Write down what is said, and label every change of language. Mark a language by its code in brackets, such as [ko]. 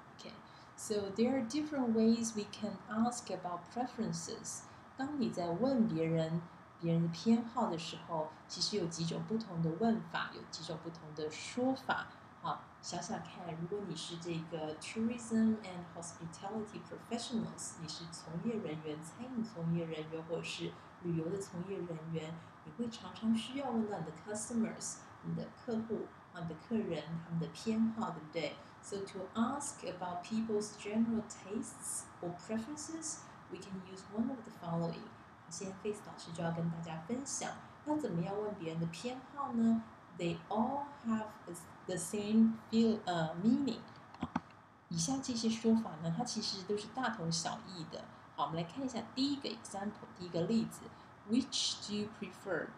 [en] Okay, so there are different ways we can ask about preferences. [zh] 当你在问别人的偏好的时候，其实有几种不同的问法，有几种不同的说法。好，想想看，如果你是这个 [en] tourism and hospitality professionals， [zh] 你是从业人员，餐饮从业人员，或者是旅游的从业人员，你会常常需要问到你的 customers， 你的客户，你的客人，他们的偏好，对不对？ [en] So to ask about people's general tastes or preferences， we can use one of the following。 [zh] 现在 Faith 老师就要跟大家分享，那怎么样问别人的偏好呢？ [en] They all have the same meaning。 [zh] 以下这些说法呢，它其实都是大同小异的。好，我们来看一下第一个 example， 第一个例子。 [en] Which do you prefer?